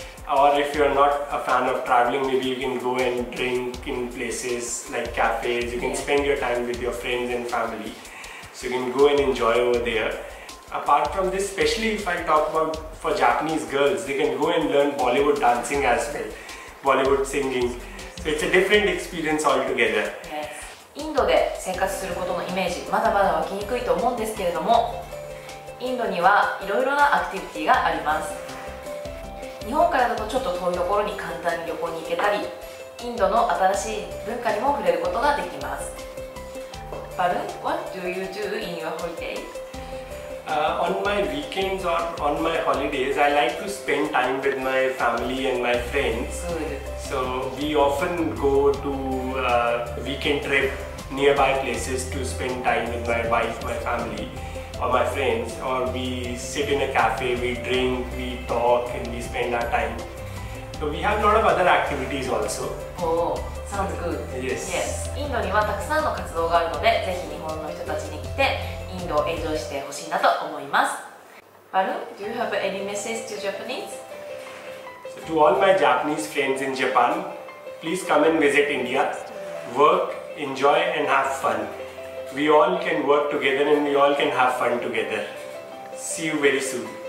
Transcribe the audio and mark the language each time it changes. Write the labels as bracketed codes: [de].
[en] Or if you are not a fan of traveling, maybe you can go and drink in places like cafes. You can spend your time with your friends and family. So you can go and enjoy over there. Apart from this, especially if I talk about for Japanese girls, they can go and learn Bollywood dancing as well. Bollywood singing. So it's a different experience altogether. Yes. [ja] インドで生活することのイメージまだまだ湧きにくいと思うんですけれども、インドにはいろいろなアクティビティがあります。日本からだとちょっと遠いところに簡単に旅行に行けたり、インドの新しい文化にも触れることができます。 [en] Balu, what do you do in your holiday? On my weekends or on my holidays, I like to spend time with my family and my friends. So we often go to weekend trip nearby places to spend time with my wife, my family, or my friends. Or we sit in a cafe, we drink, we talk, and we spend our time. So we have a lot of other activities also. Oh, sounds good. Yes. Yes. [ja] インドにはたくさんの活動があるので、ぜひ日本の人たちに来て。インドをエンジョイしてほしいなと思います。 [en] Balu, do you have any message to Japanese? So to all my Japanese friends in Japan, please come and visit India. Work, enjoy and have fun. We all can work together and we all can have fun together. See you very soon.